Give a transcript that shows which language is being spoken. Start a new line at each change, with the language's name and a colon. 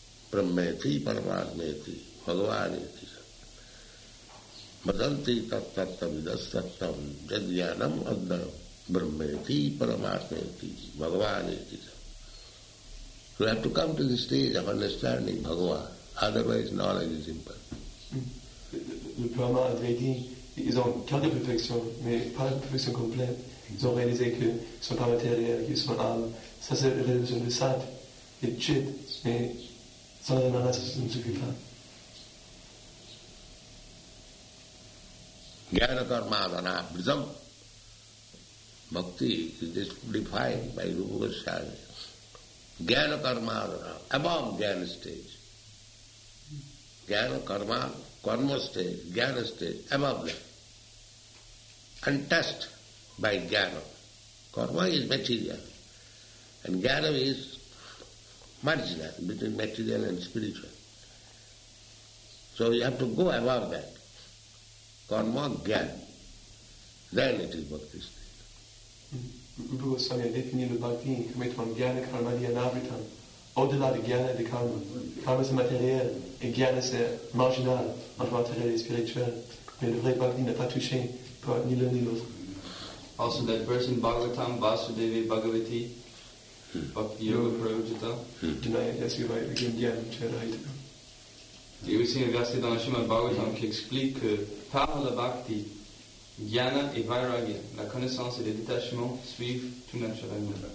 Sanskrit: Brahmeti, Paramatmeti, Bhagavaneti. Madanti tattattam idastattam jadhyanam adna brahmeti paramatmeti bhagavaneti.
English: You have to come to the stage of understanding Bhagavan, otherwise knowledge is imperfect.
French: Le Brahma avait dit, ils ont quelques perfections, mais pas la perfection complète. Ils ont réalisé qu'ils ne sont pas matériels, qu'ils sont âmes. Ça c'est la réalisation de Sat et Chit, mais sans la nana ça ne suffit pas.
Sanskrit: Jnana karma dana vritam.
English: Bhakti is defined by Rupa Goswami. Jnana karma dana, above jnana stage. Jnana karma karma stage, jnana stage, above that, untouched by jnana. Karma is material, and jnana is marginal between material and spiritual. So you have to go above that, karma, jnana, then it is bhakti stage.
French: Guru Goswami a défini le bhakti comme étant jnana, karma, jnana, avritam. Au-delà de jnana et de karma, karma c'est matériel et jnana c'est marginal entre matériel et spirituel. Mais le vrai bhakti n'est pas touché par ni l'un ni l'autre.
English: Also that verse in Bhagavatam, Vasudeva Bhagavati, Bhakti Yoga Prabhupada.
French: Il y a aussi un verset dans le Shrimad Bhagavatam qui explique que par le bhakti, jnana et vairagya, la connaissance et le détachement suivent tout naturellement.